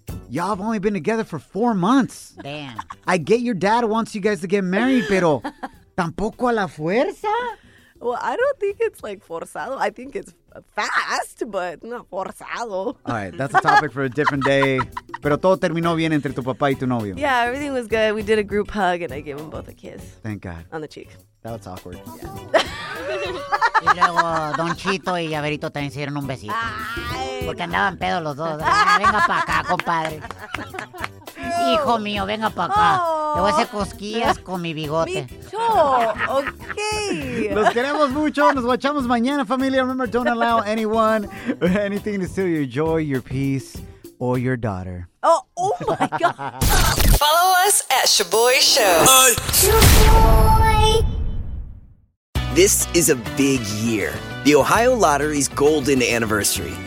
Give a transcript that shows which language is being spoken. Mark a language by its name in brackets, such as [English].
[English] Y'all have only been together for 4 months. Damn. I get your dad wants you guys to get married, pero... [Spanish] ¿Tampoco a la fuerza? [English] Well, I don't think it's like forzado. I think it's fast, but not forzado. All right, that's a topic for a different day. [Spanish] Pero todo terminó bien entre tu papá y tu novio. [English] Yeah, everything was good. We did a group hug and I gave them both a kiss. Thank God. On the cheek. That was awkward. Yeah. [Spanish] Y luego Don Chito y Averito también se dieron un besito. Ay, porque andaban pedo los dos. Venga pa' acá, compadre. Hijo mío, venga pa' acá. Le voy a hacer cosquillas con mi bigote. [English] Ok. [Spanish] Los queremos mucho. Nos guachamos mañana, familia. [English] Remember, don't allow anyone or anything to steal your joy, your peace, or your daughter. Oh my God. Follow us at Shaboy Show. Shaboy. This is a big year. The Ohio Lottery's golden anniversary.